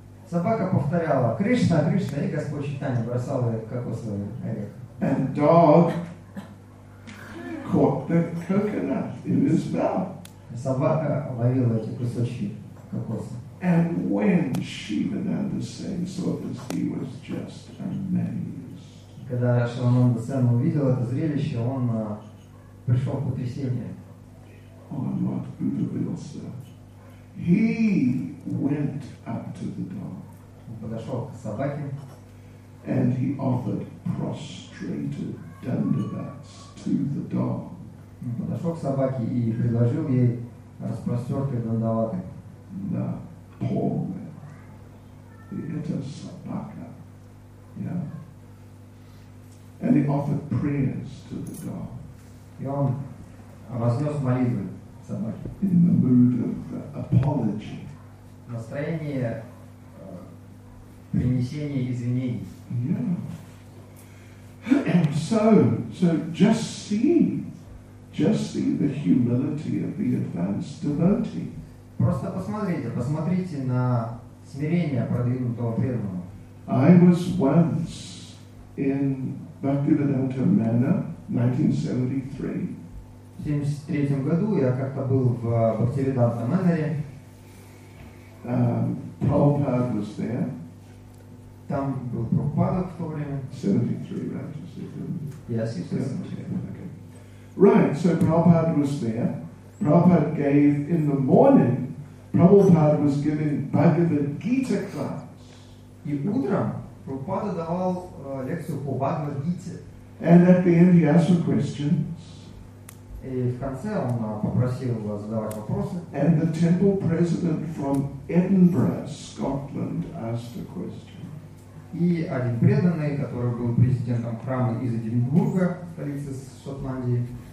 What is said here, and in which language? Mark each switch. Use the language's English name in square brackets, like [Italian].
[Russian] Собака повторяла Кришна, Кришна, и Господь Чайтанья бросал кокосовый орех. [English] And dog caught the coconut in his mouth. [Russian] Собака ловила эти кусочки кокоса. [English] And when Shivananda Sen saw this, he was just amazed. [Russian] Когда Шивананда Сен увидел это зрелище, он пришел в потрясение. [English] Oh, Lord Buddha will say. He went up to the dog. [Russian] Он подошел к собаке. [English] And he offered prostrated dandavats to the dog. [Russian] Он подошел к собаке и предложил ей распростертый дандаваты. Да, полный. И это собака. [English] Yeah. And he offered prayers to the dog. [Russian] И он вознес молитвы собаке. [English] In the mood of apology. [Russian] В настроении принесения извинений. [English] Yeah. So just see. Just see the humility of the advanced devotee. [Russian] Просто посмотрите на смирение продвинутого преданного. [English] I was once in Bhaktivedanta Manor, 1973. [Russian] В 73 году я как-то был в Бхактивиданта Манаре. [English] Prabhupada was there. [Russian] Там был Прабхупада в то время. [English] 73, right? Yes, he's 73. Okay. Right, so Prabhupada was there. Prabhupada gave in the morning. Prabhupada was giving Bhagavad Gita class. [Russian] И утром Прабхупада давал лекцию по Бхагавад Гите. [English] And at the end he asked some questions. [Russian] И в конце он попросил вас задавать вопросы. [English] And the temple president from Edinburgh, Scotland, asked a question. [Russian] И один преданный, который был президентом храма из Эдинбурга, столицы Шотландии.